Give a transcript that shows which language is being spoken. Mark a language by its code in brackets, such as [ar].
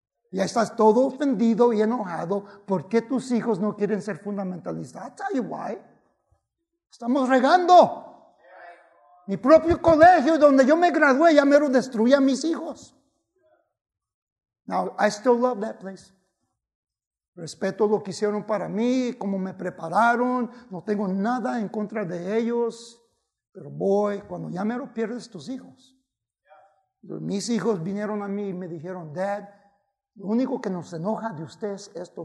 [es] Ya estás todo ofendido y enojado. ¿Por qué tus hijos no quieren ser fundamentalistas? [en] I'll tell you why. [es] Estamos regando. Mi propio colegio donde yo me gradué ya me lo destruí a mis hijos. [en] Now, I still love that place. [es] Respeto lo que hicieron para mí, cómo me prepararon. No tengo nada en contra de ellos. Pero voy, cuando ya me lo pierdes tus hijos. Mis hijos vinieron a mí y me dijeron, Dad, lo único que nos enoja de usted es esto.